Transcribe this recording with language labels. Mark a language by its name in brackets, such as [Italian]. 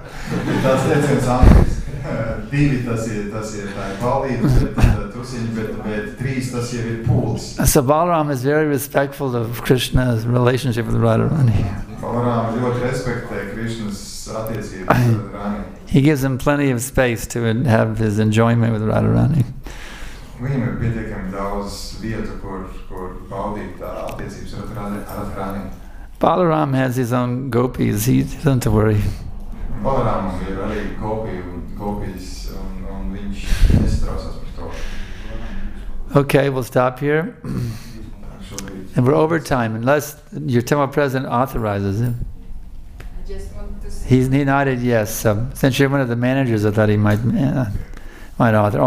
[English] So Balaram is very respectful of Krishna's relationship with Radharani. He gives him plenty of space to have his enjoyment with Radharani. [Latvian] Viņam ir pietiekami daudz vietu, kur baudīt attiecības ar atrāni. [English] Balaram has his own gopis, he doesn't worry. [Latvian] Balaram ir arī gopis, un viņš nestrausās par to. [English] Okay, we'll stop here. And we're over time, unless your temple president authorizes him. He nodded yes. Since you're one of the managers, I thought he might author.